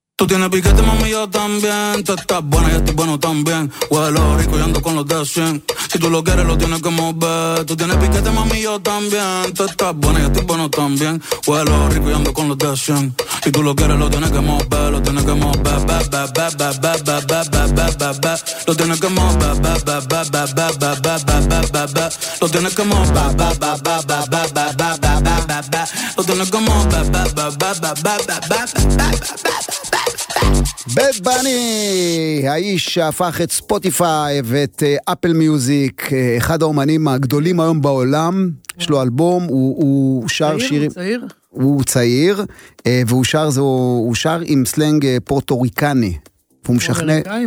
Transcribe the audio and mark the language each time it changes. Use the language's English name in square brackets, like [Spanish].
[Spanish] Tiene piquete, mami, yo también. Tú estás buena, yo estoy bueno también. Huelo rico y ando con los de 100. Si tú lo quieres, lo tienes que mover. Tú tienes piquete, mami, yo también. Tú estás buena, yo estoy bueno también. Huelo rico y ando con los de 100. Si tú lo quieres, lo tienes que mover. Lo tienes que mover. Ba, ba, ba, ba, ba, ba, ba, ba, ba, ba, ba. Lo tienes que mover. Ba, ba, ba, ba, ba, ba, ba, ba, ba, ba, ba. Lo tienes que mover. Ba, ba, ba, ba, ba, ba, ba, ba, ba, ba, ba, ba. Lo tienes que mover. Ba, ba, ba, ba, ba, ba, ba, ba, ba, ba, ba. [Hebrew] בד בני, האיש שהפך את ספוטיפיי ואת אפל מיוזיק, אחד האומנים הגדולים היום בעולם, יש לו אלבום, הוא שר שירים... הוא צעיר? הוא צעיר, והוא שר עם סלנג פורטוריקני. הוא משכנע...